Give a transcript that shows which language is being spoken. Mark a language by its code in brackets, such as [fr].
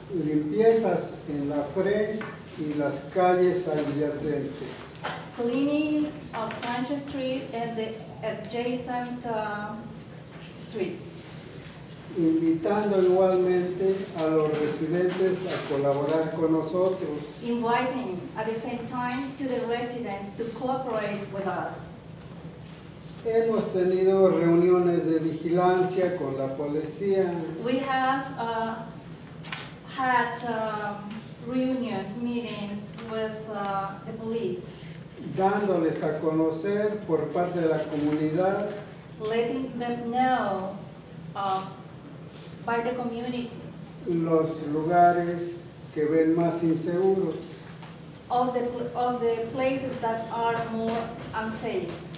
[es] Limpiezas en la fresa y las calles adyacentes. [en] Cleaning of French Street and the adjacent streets. [es] Invitando igualmente a los residentes a colaborar con nosotros. [en] Inviting at the same time to the residents to cooperate with us. [es] Hemos tenido reuniones de vigilancia con la policía. [en] We have had reunions, meetings with the police. [es] Dándoles a conocer por parte de la comunidad. [en] Letting them know by the community. [es] Los lugares que ven más inseguros. [en] Of the places that are more unsafe.